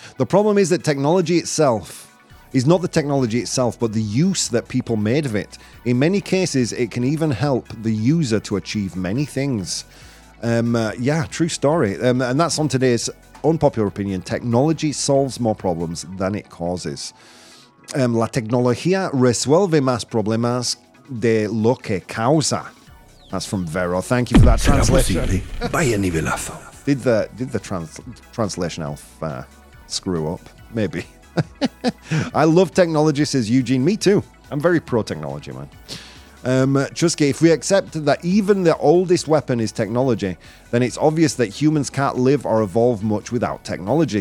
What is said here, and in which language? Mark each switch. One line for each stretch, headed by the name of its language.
English: The problem is that technology itself is not the technology itself, but the use that people made of it. In many cases, it can even help the user to achieve many things. Yeah, true story. And that's on today's unpopular opinion. Technology solves more problems than it causes.
Spanish: La tecnología resuelve más problemas de lo que causa.
English: That's from Vero. Thank you for that translation.
Spanish: Vaya nivelazo.
English: Did the translation elf screw up? Maybe. I love technology, says Eugene. Me too. I'm very pro-technology, man. Chusky, if we accept that even the oldest weapon is technology, then it's obvious that humans can't live or evolve much without technology.